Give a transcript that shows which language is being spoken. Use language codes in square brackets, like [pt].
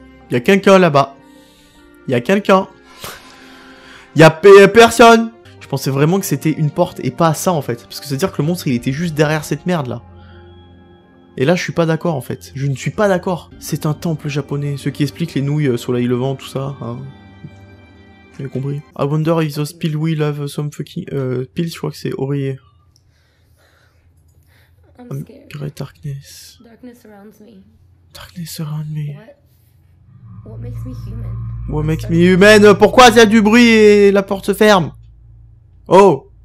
[fr] Y a quelqu'un là-bas. Y a quelqu'un. Y a personne. Je pensais vraiment que c'était une porte et pas ça en fait, parce que c'est à dire que le monstre il était juste derrière cette merde là. Et là, je suis pas d'accord, en fait. Je ne suis pas d'accord. C'est un temple japonais, ce qui explique les nouilles, soleil levant, tout ça, hein. J'ai compris. [en] I wonder if those pills will have some fucking... [fr] pills, je crois que c'est oreiller. [en] I'm scared. Darkness. Darkness surrounds me. Darkness surrounds me. What makes me human? What makes me human? [fr] Pourquoi il y a du bruit et la porte ferme? Oh!